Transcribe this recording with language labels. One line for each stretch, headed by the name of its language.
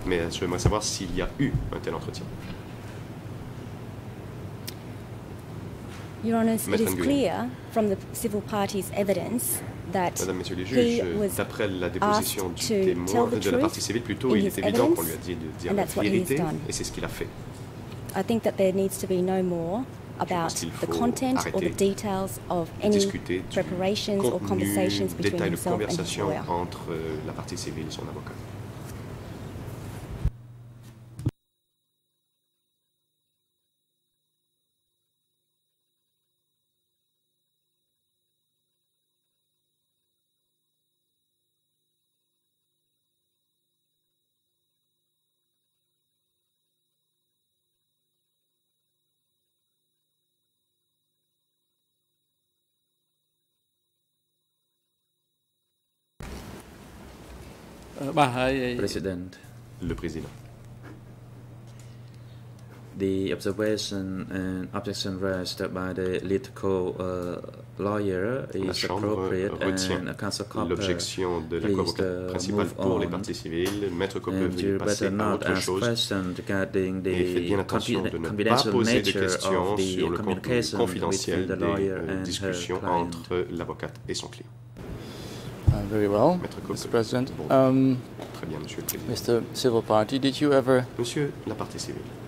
French: Mais je voudrais savoir s'il y a eu un tel entretien.
English: Your Honour, it is clear from the civil party's evidence that
French: Madame, Monsieur les juges, d'après la déposition du témoin de la partie civile, plutôt il est évident qu'on lui a dit de dire la vérité, et c'est ce qu'il a fait.
English: I think that there needs to be no more about the content or the details of any preparations or conversations between himself and his lawyer.
French: Entre la partie civile et son avocat. Le président.
English: The observation and objection raised by the litigant lawyer is appropriate and counsel Copé.
French: L'objection de la co-avocate principale pour les parties civiles, maître Copé, veuillez passer à autre chose.
English: And question regarding the confidential nature of the communication between the lawyer and her client.
French: Entre l'avocate et son client.
English: Very well, Mr. President.
French: Très bien, Monsieur le Président.
English: Mr. Civil Party, did you ever,
French: Monsieur la partie civile,